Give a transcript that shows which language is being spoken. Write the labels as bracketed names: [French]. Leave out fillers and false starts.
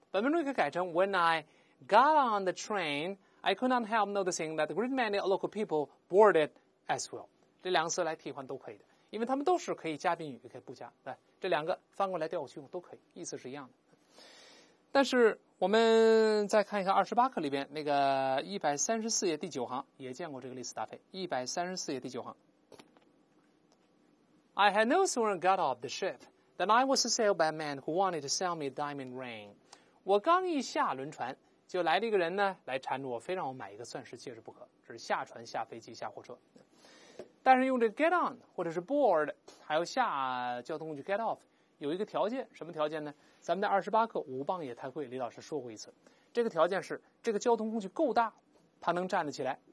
[Chinese] 本文中可以改成 [English] When I got on the train， I could not help noticing that a great many local people boarded as well。 [Chinese] 这两个词来替换都可以的，因为他们都是可以加宾语，也可以不加。来，这两个翻过来调过去用都可以，意思是一样的。但是我们再看一看28课里边那个134页第9行也见过这个例词搭配。 134页第9行 [English] I had no sooner got off the ship than I was assailed by a man who wanted to sell me a diamond ring。 [Chinese] 我刚一下轮船就来了一个人呢，来缠着我，非让我买一个钻石戒指不可。这是下船、下飞机、下火车。但是用这 [English] get on [Chinese] 或者是 board 还有下交通工具 [English] get off [Chinese] 有一个条件，什么条件呢？咱们在28课五磅也太贵，李老师说过一次，这个条件是这个交通工具够大，它能站得起来。